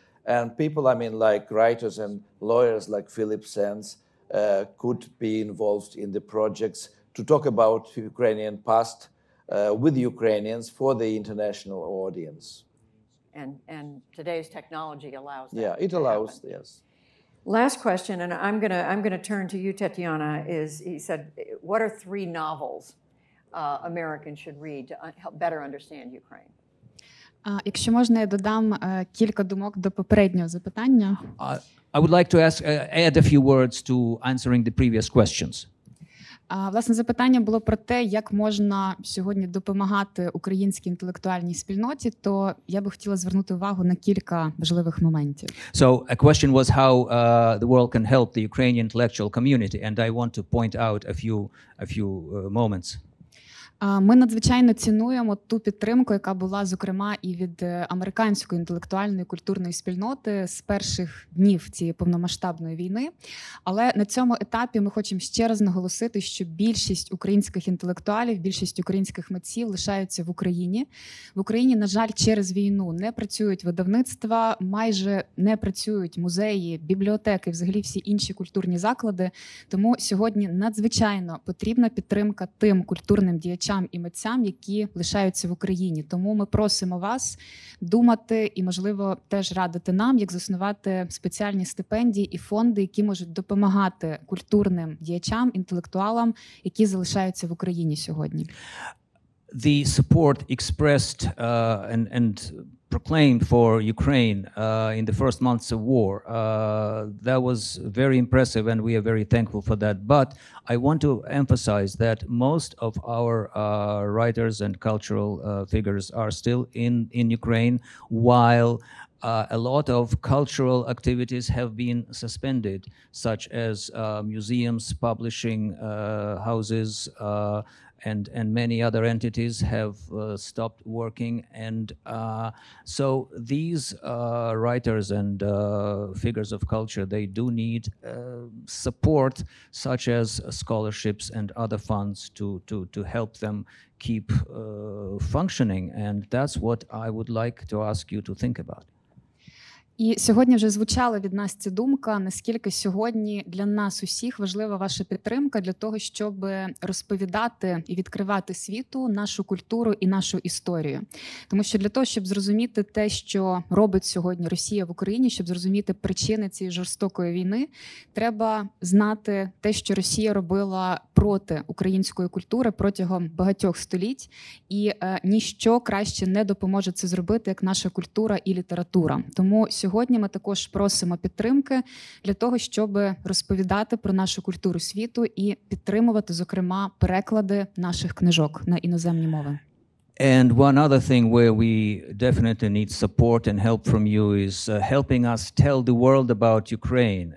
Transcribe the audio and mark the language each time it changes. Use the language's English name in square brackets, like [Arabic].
[English] And people, I mean, like writers and lawyers like Philip Sands could be involved in the projects to talk about Ukrainian past with Ukrainians for the international audience. And today's technology allows that. Yeah, it allows, yes. Last question, and I'm gonna turn to you, Tetyana, is he said, what are three novels Americans should read to help better understand Ukraine? [Ukrainian] Якщо можна, я додам кілька думок до попереднього запитання. [English] I would like to ask, add a few words to answering the previous questions. [Ukrainian] Власне, запитання було про те, як можна сьогодні допомагати українській інтелектуальній спільноті, то я би хотіла звернути увагу на кілька важливих моментів. [English] So, a question was how the world can help the Ukrainian intellectual community, and I want to point out a few moments. [Ukrainian] Ми надзвичайно цінуємо ту підтримку, яка була, зокрема, і від американської інтелектуальної культурної спільноти з перших днів цієї повномасштабної війни. Але на цьому етапі ми хочемо ще раз наголосити, що більшість українських інтелектуалів, більшість українських митців лишаються в Україні. В Україні, на жаль, через війну не працюють видавництва, майже не працюють музеї, бібліотеки, взагалі всі інші культурні заклади. Тому сьогодні надзвичайно потрібна підтримка тим культурним діячам, і митцям, які лишаються в Україні. Тому ми просимо вас думати і, можливо, теж радити нам, як заснувати спеціальні стипендії і фонди, які можуть допомагати культурним діячам, інтелектуалам, які залишаються в Україні сьогодні. [English] The support expressed and proclaimed for Ukraine in the first months of war, that was very impressive, and we are very thankful for that. But I want to emphasize that most of our writers and cultural figures are still in Ukraine, while a lot of cultural activities have been suspended, such as museums, publishing houses, and many other entities have stopped working. And so these writers and figures of culture, they do need support, such as scholarships and other funds to help them keep functioning. And that's what I would like to ask you to think about. [Ukrainian] І сьогодні вже звучала від нас ця думка, наскільки сьогодні для нас усіх важлива ваша підтримка для того, щоб розповідати і відкривати світу нашу культуру і нашу історію. Тому що для того, щоб зрозуміти те, що робить сьогодні Росія в Україні, щоб зрозуміти причини цієї жорстокої війни, треба знати те, що Росія робила проти української культури протягом багатьох століть. І ніщо краще не допоможе це зробити, як наша культура і література. Тому сьогодні ми також просимо підтримки для того, щоб розповідати про нашу культуру світу і підтримувати, зокрема, переклади наших книжок на іноземні мови. [English] And one other thing where we definitely need support and help from you is helping us tell the world about Ukraine.